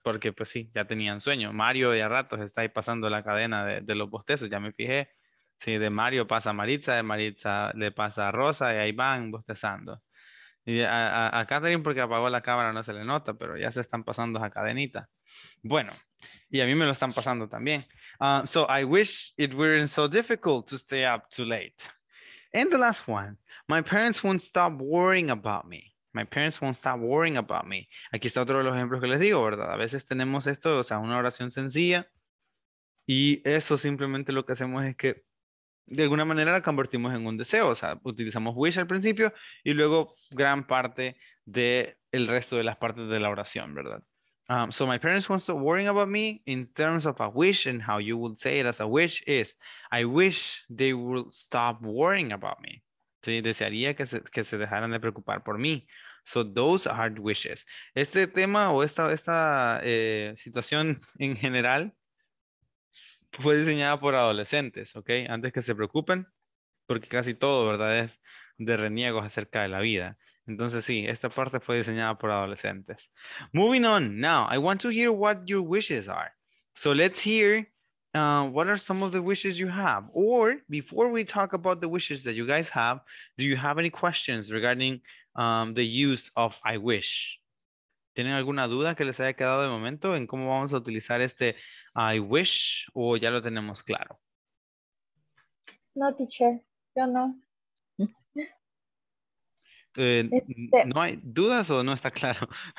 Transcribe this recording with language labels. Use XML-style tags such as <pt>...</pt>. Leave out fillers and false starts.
<es>Porque pues sí, ya tenían sueño. Mario ya ratos está ahí pasando la cadena de los bostezos, ya me fijé. Sí, de Mario pasa Maritza, de Maritza le pasa a Rosa, y ahí van bostezando. Y a Catherine, porque apagó la cámara, no se le nota, pero ya se están pasando esa cadenita. Bueno, y a mí me lo están pasando también.</es> <en>So, I wish it weren't so difficult to stay up too late. And the last one, my parents won't stop worrying about me. My parents won't stop worrying about me.</en> <es>Aquí está otro de los ejemplos que les digo, ¿verdad? A veces tenemos esto, o sea, una oración sencilla. Y eso simplemente lo que hacemos es que de alguna manera la convertimos en un deseo. O sea, utilizamos wish al principio y luego gran parte de el resto de las partes de la oración, ¿verdad?</es> <en>So my parents won't stop worrying about me in terms of a wish, and how you would say it as a wish is, I wish they would stop worrying about me.</en> <es>Sí, desearía que se dejaran de preocupar por mí.</es> <en>So those are wishes.</en> <es>Este tema o esta situación en general fue diseñada por adolescentes, ¿ok? Antes que se preocupen, porque casi todo, ¿verdad? Es de reniegos acerca de la vida. Entonces sí, esta parte fue diseñada por adolescentes.</es> <en>Moving on, now I want to hear what your wishes are. So let's hear what are some of the wishes you have? Or before we talk about the wishes that you guys have, do you have any questions regarding the use of I wish?</en> <es>¿Tienen alguna duda que les haya quedado de momento en cómo vamos a utilizar este I wish? ¿O ya lo tenemos claro? No, teacher. Yo no. ¿No hay dudas o no está claro?</es>